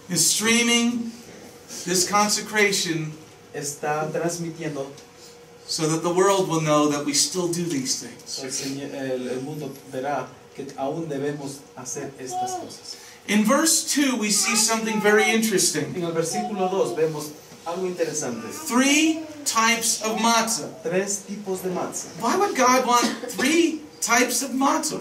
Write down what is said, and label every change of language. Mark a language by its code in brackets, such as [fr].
[en] is streaming this consecration, [es] está transmitiendo [en] So that the world will know that we still do these things. [es] El mundo verá que aún debemos hacer estas cosas. [en] In verse 2, we see something very interesting. [es] En el versículo 2 vemos algo interesante. [en] Three types of matzah. [es] Tres tipos de matzah. [en] Why would God want three types of matzah?